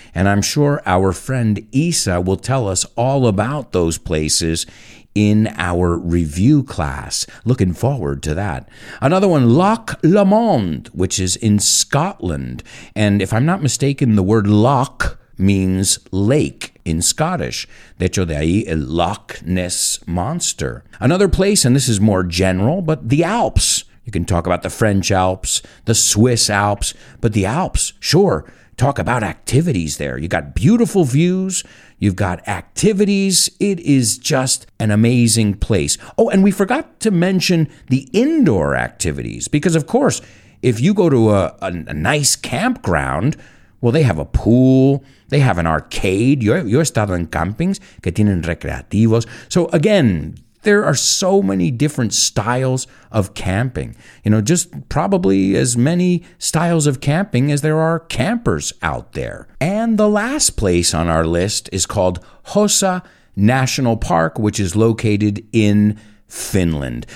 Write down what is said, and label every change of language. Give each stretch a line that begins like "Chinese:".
English: And I'm sure our friend Isa will tell us all about those places in our review class. Looking forward to that. Another one, Loch Lomond, which is in Scotland. And if I'm not mistaken, the word loch means lake in Scottish.
Spanish: De hecho, de ahí el Loch Ness Monster.
English: Another place, and this is more general, but the Alps. You can talk about the French Alps, the Swiss Alps, but the Alps, sure. Talk about activities there. You got beautiful views. You've got activities. It is just an amazing place. Oh, and we forgot to mention the indoor activities. Because, of course, if you go to a nice campground, well, they have a pool. They have an arcade.
Spanish: Yo he estado en campings que tienen recreativos.
English: So, again, there are so many different styles of camping. You know, just probably as many styles of camping as there are campers out there. And the last place on our list is called Hossa National Park, which is located in Finland.